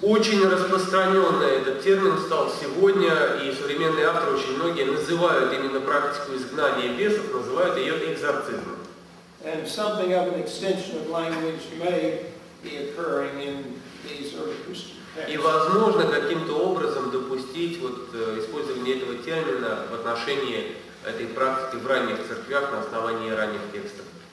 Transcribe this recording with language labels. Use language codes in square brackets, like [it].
[ru] Очень распространенный этот термин стал сегодня, и современные авторы, очень многие называют именно практику изгнания бесов, называют ее экзорцизмом. [en] And something of an extension of language may be occurring in these early Christian. [ru] И возможно каким-то образом допустить вот использование этого термина в отношении этой практики в ранних церквях на основании ранних текстов.